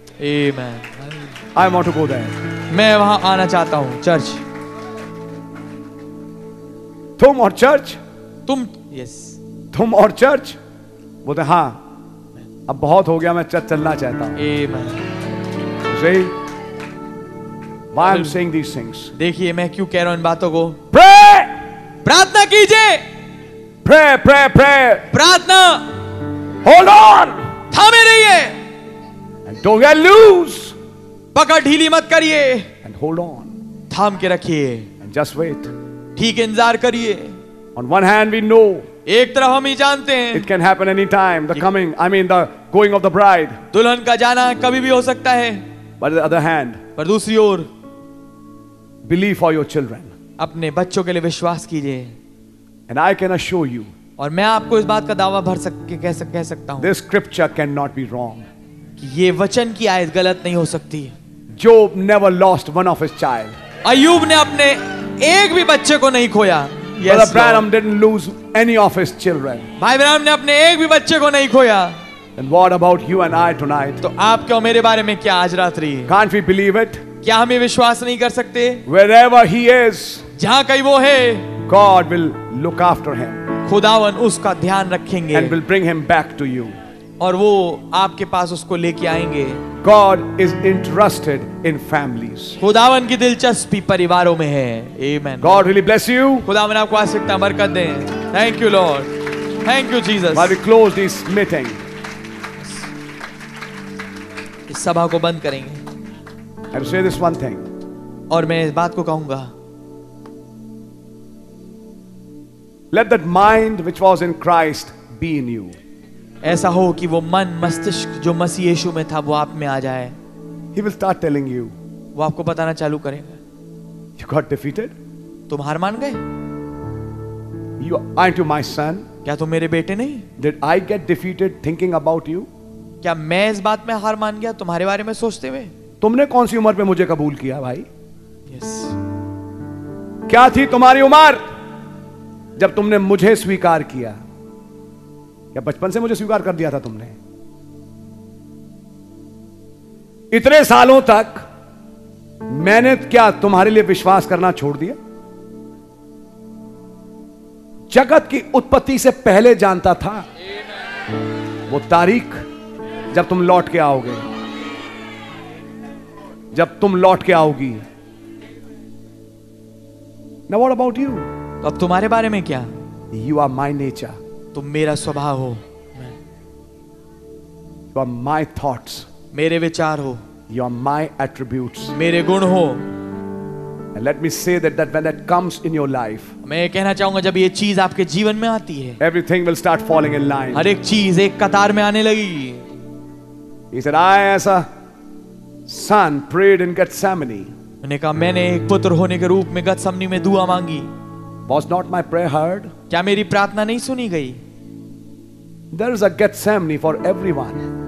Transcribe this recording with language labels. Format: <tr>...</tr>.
<en>Amen. I want to go there.</en> <hi>मैं वहां आना चाहता हूं चर्च. तुम और चर्च. तुम.</hi> <en>Yes.</en> <hi>तुम और चर्च. बोलते हाँ अब बहुत हो गया मैं चर्च चलना चाहता हूं.</hi> <en>Amen. See, why I'm saying these things.</en> <hi>देखिए मैं क्यों कह रहा हूं इन बातों को.</hi> <en>Pray.</en> <hi>प्रार्थना कीजिए.</hi> <en>Pray, pray, pray.</en> <hi>प्रार्थना.</hi> <en>Hold on.</en> <hi>थामे रहिए.</hi> <en>And don't get loose.</en> <hi>पकड़ ढीली मत करिए.</hi> <en>And hold on.</en> <hi>थाम के रखिए.</hi> <en>And just wait.</en> <hi>ठीक इंतजार करिए.</hi> <en>On one hand we know.</en> <hi>एक तरह हम ही जानते हैं.</hi> <en>It can happen any time. The coming, I mean the going of the bride.</en> <hi>दुल्हन का जाना कभी भी हो सकता है.</hi> <en>But the other hand.</en> <hi>पर दूसरी ओर.</hi> <en>Believe for your children.</en> <hi>अपने बच्चों के लिए विश्वास कीजिए.</hi> <en>And I can assure you.</en> <hi>और मैं आपको इस बात का दावा भर सकके कह सकता हूं.</hi> <en>This scripture cannot be wrong.</en> <hi>ये वचन की आयत गलत नहीं हो सकती.</hi> <en>Job never lost one of his child.</en> <hi>अय्यूब ने अपने एक भी बच्चे को नहीं खोया.</hi> <en>Yes, Brother Branham didn't lose any of his children.</en> <hi>भाई ब्रैनम ने अपने एक भी बच्चे को नहीं खोया.</hi> <en>And what about you and I tonight?</en> <hi>तो आप क्या मेरे बारे में क्या आज रात्रि?</hi> <en>Can't we believe it?</en> <hi>क्या हम ये विश्वास नहीं कर सकते?</hi> <en>Wherever he is,</en> <hi>जहां कहीं वो है,</hi> <en>God will look after him.</en> <hi>खुदावन उसका ध्यान रखेंगे.</hi> <en>And will bring him back to you.</en> <hi>और वो आपके पास उसको लेके आएंगे.</hi> <en>God is interested in families.</en> <hi>खुदावन की दिलचस्पी परिवारों में है.</hi> <en>Amen. God really bless you.</en> <hi>खुदावन आपको आशीषता बरकत दें.</hi> <en>Thank you, Lord. Thank you, Jesus. While we close this meeting.</en> <hi>इस सभा को बंद करेंगे.</hi> <en>I will say this one thing.</en> <hi>और मैं इस बात को कहूंगा.</hi> <en>Let that mind which was in Christ be in you.</en> <hi>ऐसा हो कि वो मन मस्तिष्क जो मसीह यीशु में था वो आप में आ जाए.</hi> <en>He will start telling you.</en> <hi>वो आपको बताना चालू करेगा.</hi> <en>You got defeated?</en> <hi>तुम हार मान गए?</hi> <en>You aren't you my son?</en> <hi>क्या तुम मेरे बेटे नहीं?</hi> <en>Did I get defeated thinking about you?</en> <hi>क्या मैं इस बात में हार मान गया तुम्हारे बारे में सोचते हुए? तुमने कौन सी उम्र में मुझे कबूल किया भाई?</hi> <en>Yes.</en> <hi>क्या थी तुम्हारी उम्र जब तुमने मुझे स्वीकार किया? या बचपन से मुझे स्वीकार कर दिया था तुमने? इतने सालों तक मैंने क्या तुम्हारे लिए विश्वास करना छोड़ दिया? जगत की उत्पत्ति से पहले जानता था वो तारीख जब तुम लौट के आओगे, जब तुम लौट के आओगी.</hi> <en>Now what about you?</en> <hi>तो अब तुम्हारे बारे में क्या?</hi> <en>You are my nature.</en> <hi>तुम मेरा स्वभाव हो.</hi> <en>You are my thoughts.</en> <hi>मेरे विचार हो.</hi> <en>You are my attributes.</en> <hi>मेरे गुण हो.</hi> <en>And let me say that when that comes in your life,</en> <hi>मैं कहना चाहूंगा जब ये चीज आपके जीवन में आती है,</hi> <en>everything will start falling in line.</en> <hi>हर एक चीज एक कतार में आने लगी.</hi> <en>He said, I as a son prayed in Gethsemane.</en> <hi>मैंने कहा मैंने एक पुत्र होने के रूप में गतसमनी में दुआ मांगी.</hi> <en>Was not my prayer heard?</en> <hi>क्या मेरी प्रार्थना नहीं सुनी गई?</hi> <en>There is a Gethsemane for everyone.</en>